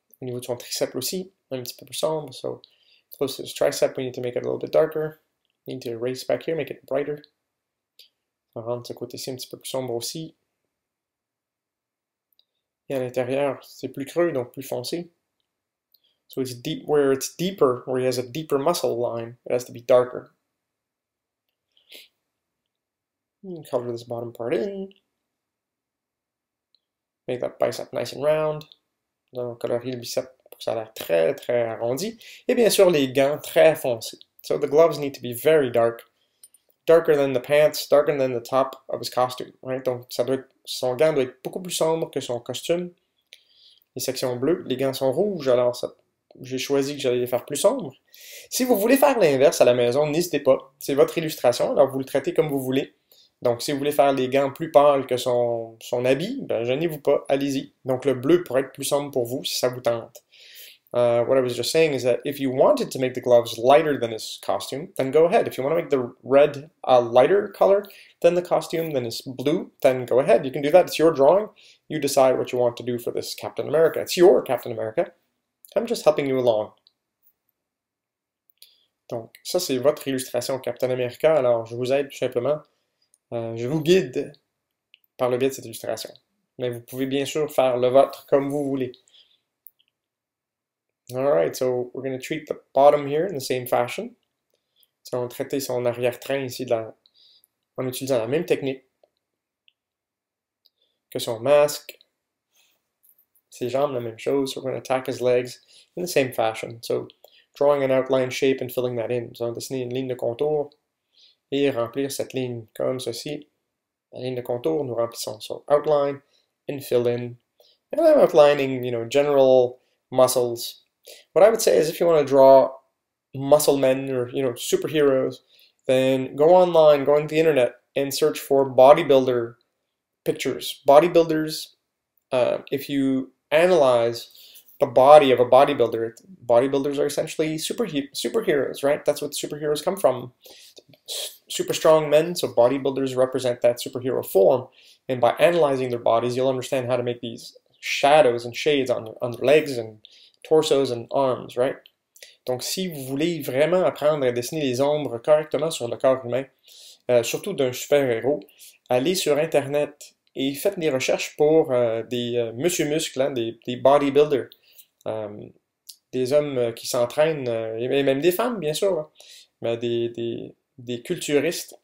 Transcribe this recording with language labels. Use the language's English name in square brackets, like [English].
[French] Au niveau de son tricep aussi, un petit peu plus sombre. [English] So close to his tricep, we need to make it a little bit darker. Need to erase back here, make it brighter. [French] On va rendre ce côté-ci un petit peu plus sombre aussi. Et à l'intérieur, c'est plus creux, donc plus foncé. [English] So it's deep where it's deeper, where he has a deeper muscle line, it has to be darker. And color this bottom part in. Make that bicep nice and round. [French] Donc, colorier le bicep pour que ça a l'air très très arrondi. Et bien sûr, les gants très foncés. [English] So the gloves need to be very dark. Darker than the pants, darker than the top of his costume. Right? [French] Donc, ça doit être, son gant doit être beaucoup plus sombre que son costume. Les sections bleues, les gants sont rouges, alors j'ai choisi que j'allais les faire plus sombres. Si vous voulez faire l'inverse à la maison, n'hésitez pas. C'est votre illustration, alors vous le traitez comme vous voulez. Donc, si vous voulez faire les gants plus pâles que son habit, ben, gênez-vous pas, allez-y. Donc, le bleu pourrait être plus sombre pour vous si ça vous tente. [English] What I was just saying is that if you wanted to make the gloves lighter than his costume, then go ahead. If you want to make the red a lighter color than the costume, than his blue, then go ahead. You can do that. It's your drawing. You decide what you want to do for this Captain America. It's your Captain America. I'm just helping you along. [French] Donc, ça, c'est votre illustration Captain America. Alors, je vous aide tout simplement. Je vous guide par le biais de cette illustration. Mais vous pouvez bien sûr faire le vôtre comme vous voulez. [English] Alright, so we're going to treat the bottom here in the same fashion. [French] So on va traiter son arrière-train ici en utilisant la même technique que son masque. Ses jambes, la même chose. [English] So we're going to attack his legs in the same fashion. So drawing an outline shape and filling that in. [French] So on va dessiner une ligne de contour et remplir cette ligne comme ceci. La ligne de contour, nous remplissons. [English] So outline and fill in. And I'm outlining, general muscles. What I would say is if you want to draw muscle men or, superheroes, then go online, go on the internet and search for bodybuilder pictures. Bodybuilders, if you analyze the body of a bodybuilder, bodybuilders are essentially superheroes, right? That's what superheroes come from. Super strong men, so bodybuilders represent that superhero form. And by analyzing their bodies, you'll understand how to make these shadows and shades on their legs and torsos and arms, right? [French] Donc, si vous voulez vraiment apprendre à dessiner les ombres correctement sur le corps humain, surtout d'un super-héros, allez sur Internet et faites des recherches pour des monsieur muscles, hein, des bodybuilders, des hommes qui s'entraînent, et même des femmes, bien sûr, hein, mais des culturistes.